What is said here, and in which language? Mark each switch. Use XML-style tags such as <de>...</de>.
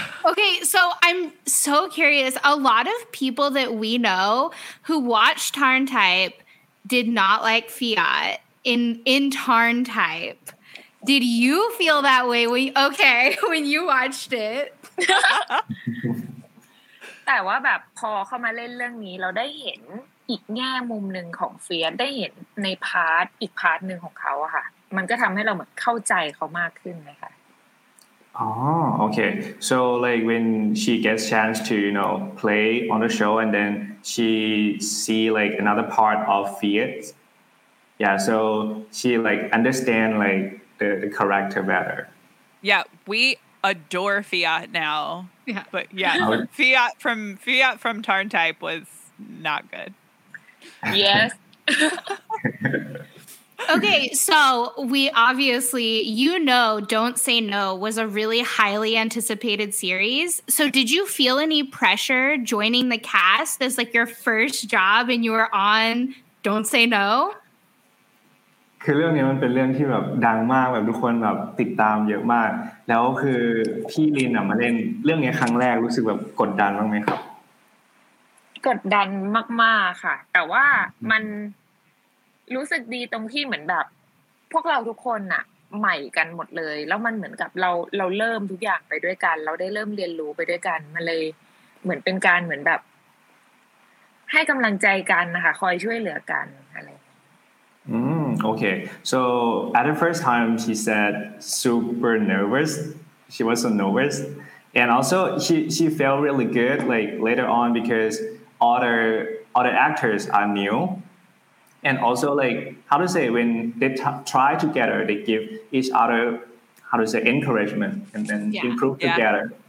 <en>okay so I'm so curious a lot of people that we know who watched Tarn Type did not like Fiat in Tarn Type did you feel that way when you watched it</en> <th>แต่ว่าแบบพอเข้ามาเล่นเรื่องนี้เราได้เห็นอีกแง่มุมหนึ่งของเฟียนได้เห็นในพาร์ทอีกพาร์ทหนึ่งของเขาอะค่ะมันก็ทำให้เราเหมือนเข้าใจเขามากขึ้นนะคะ</th> <en>Oh, okay. So like when she gets chance to, you know, play on the show and then she see like another part of Fiat. Yeah, so she like understand like the character better. Yeah, we adore Fiat now. Yeah. But yeah, Fiat from Tarn Type was not good. Yes. Okay, so we obviously, you know, Don't Say No was a really highly anticipated series. So did you feel any pressure joining the cast as like your first job and you were on Don't Say No?</en> <th>คือเรื่องนี้มันเป็นเรื่องที่แบบดังมากแบบทุกคนแบบติดตามเยอะมากแล้วคือพี่ลินมาเล่นเรื่องนี้ครั้งแรกรู้สึกแบบกดดันบ้างไหมครับ กดดันมากๆค่ะแต่ว่ามันรู้สึกดีตรงที่เหมือนแบบพวกเราทุกคนอะใหม่กันหมดเลยแล้วมันเหมือนกับเราเริ่มทุกอย่างไปด้วยกันเราได้เริ่มเรียนรู้ไปด้วยกันมาเลยเหมือนเป็นการเหมือนแบบให้กำลังใจกันนะคะคอยช่วยเหลือกันอะไร</th> <en>Okay. So at the first time she said super nervous. She was so nervous. And also she felt really good like later on because other actors are new. And also like how to say when they try together they give each other how to say encouragement and then yeah. improve yeah. together.</en>